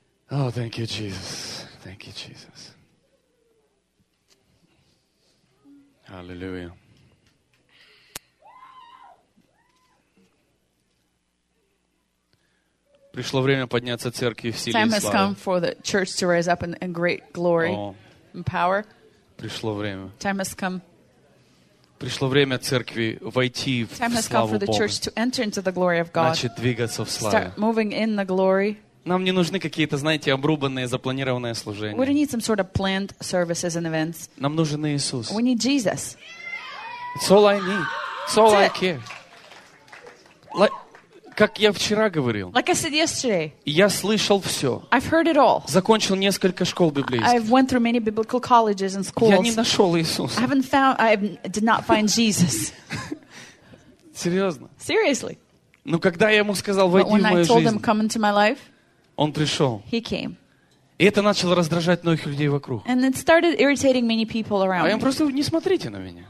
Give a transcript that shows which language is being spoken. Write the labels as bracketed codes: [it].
[en] Oh, thank you, Jesus. Thank you, Jesus. Hallelujah. [ru] Пришло время подняться церкви в силе и славе. [en] Time has come for the church to rise up in great glory and power. [ru] Пришло время. [en] Time has come. [ru] Пришло время церкви войти в славу Бога. [en] Time has come for the church to enter into the glory of God. [ru] Начать двигаться в славе. [en] Start moving in the glory. [ru] Нам не нужны какие-то, знаете, обрубанные, запланированные служения. [en] We don't need some sort of planned services and events. [ru] Нам нужен Иисус. [en] We need Jesus. It's all I need. It's all I care. [ru] Как я вчера говорил, [en] like I said yesterday, [ru] я слышал все. [en] I've heard it all. [ru] Закончил несколько школ библейских. [en] I've went through many biblical colleges and schools. [ru] Я не нашел Иисуса. [en] I haven't found, I did not find Jesus. [ru] Серьезно? [en] Seriously. [ru] Но когда я ему сказал, войди в мою жизнь, [en] them, come into my life, [ru] он пришел. [en] He came. [ru] И это начало раздражать многих людей вокруг. [en] And it started irritating many people around me. [ru] А я просто, не смотрите на меня.